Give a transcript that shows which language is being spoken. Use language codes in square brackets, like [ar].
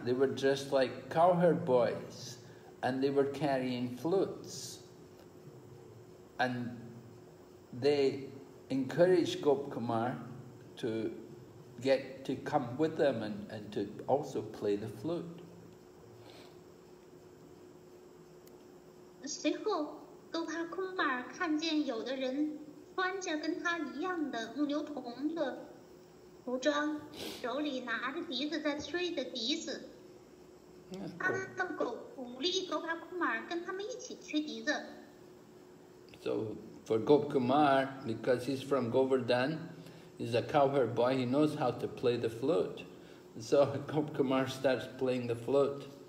[en] They were dressed like cowherd boys, and they were carrying flutes, and they encouraged Gop Kumar to get to come with them and to also play the flute. [zh] 随后，哥帕库玛尔看见有的人穿着跟他一样的牛头红的服装，手里拿着笛子在吹的笛子，他们鼓励哥帕库玛尔跟他们一起吹笛子。 [en] So. For Gop Kumar, because he's from Govardhan, he's a cowherd boy, he knows how to play the flute. So Gop Kumar starts playing the flute.